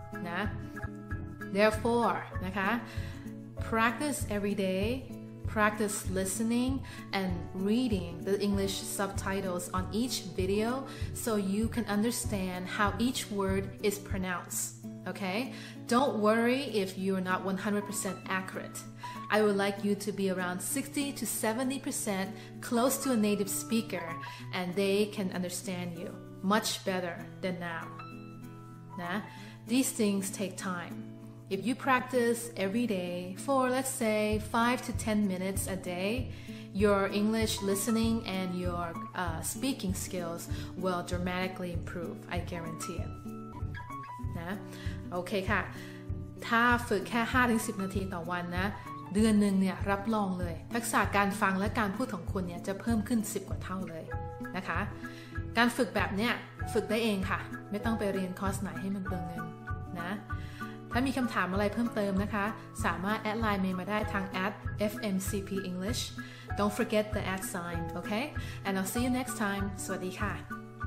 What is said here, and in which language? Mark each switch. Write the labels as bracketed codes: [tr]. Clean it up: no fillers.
[en] นะ therefore นะคะ practice every day practice listening and reading the English subtitles on each video so you can understand how each word is pronounced okay don't worry if you're not 100% accurateI would like you to be around 60 to 70% close to a native speaker and they can understand you much better than now. Nah, these things take time. If you practice every day for, let's say, 5 to 10 minutes a day, your English listening and your speaking skills will dramatically improve, I guarantee it. [th] Nah, okay, ค่ะ ถ้าฝึกแค่ 5-10 นาทีต่อวันนะเดือนหนึ่งเนี่ยรับรองเลยทักษะการฟังและการพูดของคุณเนี่ยจะเพิ่มขึ้น10กว่าเท่าเลยนะคะการฝึกแบบเนี้ยฝึกได้เองค่ะไม่ต้องไปเรียนคอร์สไหนให้มันเปลืองเงินนะถ้ามีคำถามอะไรเพิ่มเติมนะคะสามารถแอดไลน์เมย์มาได้ทาง @fmcpenglish [en] don't forget the @ sign okay and I'll see you next time [th] สวัสดีค่ะ